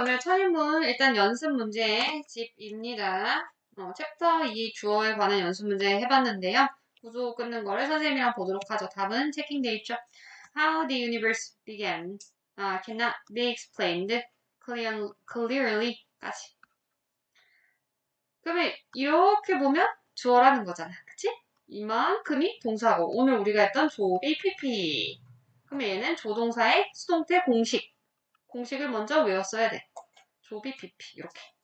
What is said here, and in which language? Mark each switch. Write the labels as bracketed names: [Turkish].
[Korean] 오늘 첫인문 일단 연습 문제 집입니다. 챕터 2 주어에 관한 연습 문제 해봤는데요. 구조 끊는 거를 선생님이랑 보도록 하죠. 답은 체킹돼 있죠. [English] How the universe began cannot be explained clearly. [Korean] 까지. 그러면 이렇게 보면 주어라는 거잖아. 그치? 이만큼이 동사고 오늘 우리가 했던 조비 PP. 그럼 얘는 조동사의 수동태 공식. 공식을 먼저 외웠어야 돼. 조비 PP 이렇게.